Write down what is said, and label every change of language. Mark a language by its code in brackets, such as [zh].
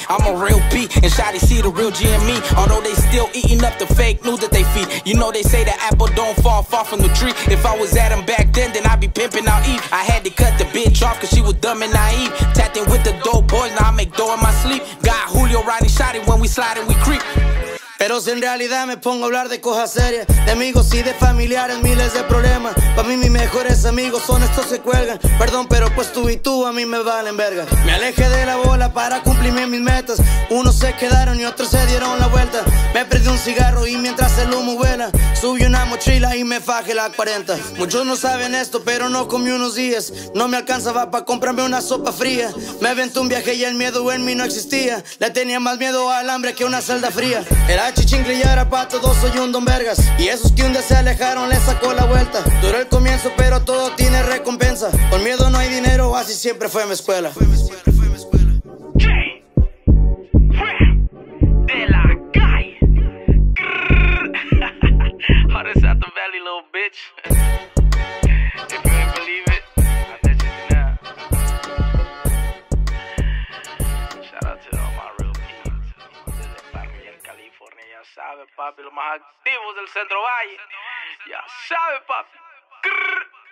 [en] I'm a real P and Shotty see the real G and me. Although they still eating up the fake news that they feed. You know they say the apple don't fall far from the tree. If I was at them back then I'd be pimping out Eve. I had to cut the bitch off cause she was dumb and naive. Tapped in with the dope boys, now I make dough in my sleep. Got Julio riding Shotty when we slide and we creep. [es] Pero si en realidad me pongo a hablar de cosas serias, de amigos y de familiares, miles de problemas. Pa' mí mis mejores amigos son estos que cuelgan. Perdón, pero pues tú y tú a mí me valen verga. Me alejé de la bola para cumplirme mis metas. Unos se quedaron y otros se dieron la vuelta. Me prendí un cigarro y mientras el humo vuela, subí una mochila y me fajé la 40. Muchos no saben esto, pero no comí unos días. No me alcanzaba pa' comprarme una sopa fría. Me aventé un viaje y el miedo en mí no existía. Le tenía más miedo al hambre que una celda fría. Era chichingle y ahora pa' todos soy un don vergas. Y esos que un día se alejaron le sacó la vuelta. Duró el comienzo pero todo tiene recompensa. Con miedo no hay dinero, así siempre fue mi escuela. De la calle. Ahora es [en] out the valley, little bitch. If you ain't believe it, I bet you do now. Shout out to all my real peeps. [es] Desde Parque en California, ya sabe, papi. Los más activos del Centro Valle. Ya sabe, papi.